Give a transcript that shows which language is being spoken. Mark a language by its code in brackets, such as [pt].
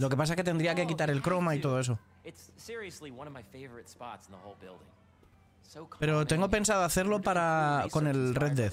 [es] Lo que pasa es que tendría que quitar el croma y todo eso. [en] It's seriously one of my favorite spots in the whole building. So cool. [es] Pero tengo pensado hacerlo para con el Red Death.